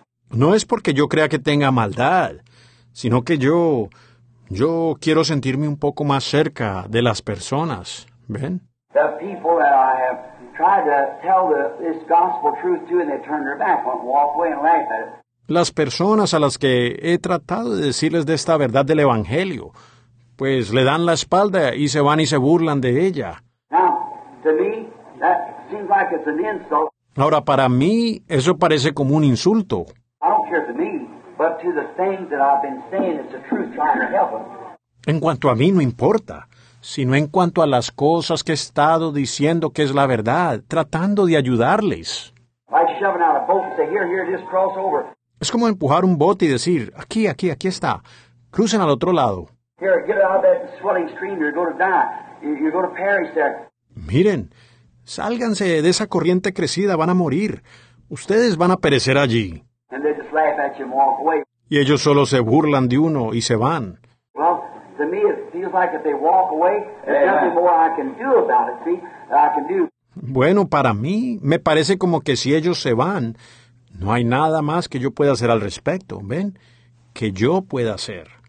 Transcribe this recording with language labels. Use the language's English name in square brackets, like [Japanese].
[Spanish] No es porque yo crea que tenga maldad, sino que yo quiero sentirme un poco más cerca de las personas, ¿ven? [English] The people that I have tried to tell this gospel truth to, and they turn their back, won't walk away and laugh at it. [Spanish] Las personas a las que he tratado de decirles de esta verdad del evangelio, pues le dan la espalda y se van y se burlan de ella. [English] Now, to me, that seems like it's an insult. [Spanish] Ahora, para mí, eso parece como un insulto. [English] I don't care to me. But to the things that I've been saying, it's the truth trying to help them. [Spanish] En cuanto a mí, no importa, sino en cuanto a las cosas que he estado diciendo que es la verdad, tratando de ayudarles. [English] Like shoving out a boat and say, here, just cross over. [Spanish] Es como empujar un bote y decir, aquí está, crucen al otro lado. [English] Here, get out of that swelling stream, you're going to die, you're going to perish there. [Spanish] Miren, sálganse de esa corriente crecida, van a morir, ustedes van a perecer allí. [English] And they just laugh at you and walk away. [Spanish] Y ellos solo se burlan de uno y se van. [English] Well, to me it feels like if they walk away, there's nothing more I can do about it, see, that I can do. [Spanish] Bueno, para mí, me parece como que si ellos se van, no hay nada más que yo pueda hacer al respecto, ¿ven? Que yo pueda hacer.